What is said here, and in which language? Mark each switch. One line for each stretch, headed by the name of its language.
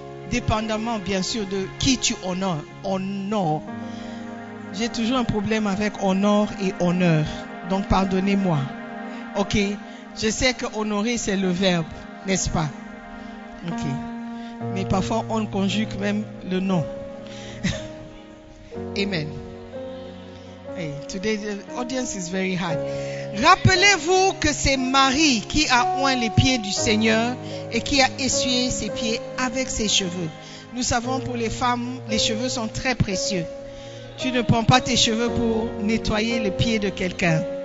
French: Dépendamment, bien sûr, de qui tu honores. Honore. J'ai toujours un problème avec honneur et honneur. Donc, pardonnez-moi. Ok? Je sais que honorer, c'est le verbe, n'est-ce pas? Ok. Mais parfois, on conjugue même le nom. Amen.
English: Hey, today, the audience is very hard.
French: Rappelez-vous que c'est Marie qui a oint les pieds du Seigneur et qui a essuyé ses pieds avec ses cheveux. Nous savons pour les femmes, les cheveux sont très précieux. Tu ne prends pas tes cheveux pour nettoyer les pieds de quelqu'un.